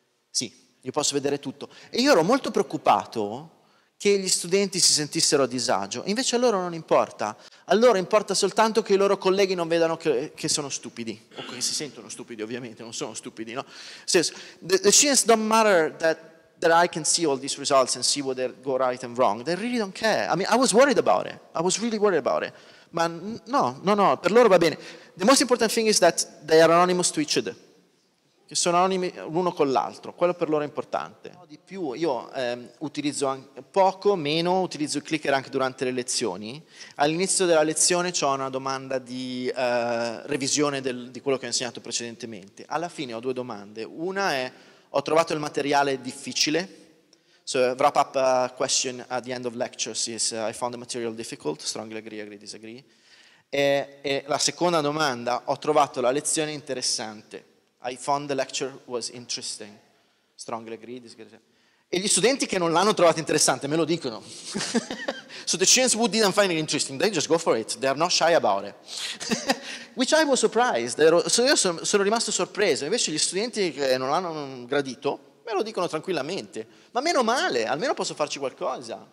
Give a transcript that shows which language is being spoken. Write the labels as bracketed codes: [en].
[it] Sì, io posso vedere tutto. E io ero molto preoccupato che gli studenti si sentissero a disagio. Invece a loro non importa. A loro importa soltanto che i loro colleghi non vedano che sono stupidi. O che si sentono stupidi, ovviamente, non sono stupidi, no? [en] The students don't matter that I can see all these results and see what they go right and wrong. They really don't care. I mean, I was worried about it. I was really worried about it. [it] Ma no, per loro va bene. [en] The most important thing is that they are anonymous to each other. [it] Che sono anonimi l'uno con l'altro, quello per loro è importante. Di più, io utilizzo poco, meno, utilizzo il clicker anche durante le lezioni. All'inizio della lezione ho una domanda di revisione di quello che ho insegnato precedentemente. Alla fine ho due domande. Una è, ho trovato il materiale difficile. [en] So, wrap up question at the end of lecture is, I found the material difficult, strongly agree, disagree. [it] E la seconda domanda, ho trovato la lezione interessante. [en] I found the lecture was interesting. Strongly agree, disagree. [it] E gli studenti che non l'hanno trovata interessante me lo dicono. [en] So the students who didn't find it interesting, they just go for it. They are not shy about it. Which I was surprised. [it] So io sono rimasto sorpreso. Invece gli studenti che non l'hanno gradito me lo dicono tranquillamente. Ma meno male, almeno posso farci qualcosa.